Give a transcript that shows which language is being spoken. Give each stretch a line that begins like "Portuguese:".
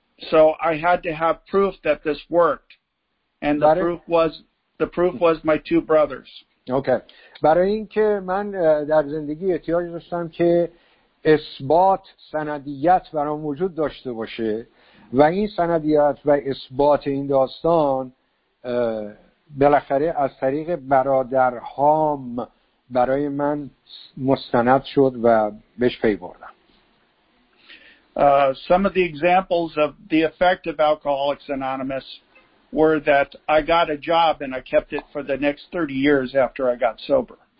English: So I had to have proof that this worked. And the proof was my two brothers. Okay.
Persian: برای اینکه من در زندگی احتیاج داشتم که اثبات سندیت برام وجود داشته باشه و این سندیت و اثبات این داستان بالاخره از طریق برادرهام برای من مستند شد و بهش پی بردم.
English: Some of the examples of the effect of Alcoholics Anonymous were that I got a job and I kept it for the next 30 years after I got sober.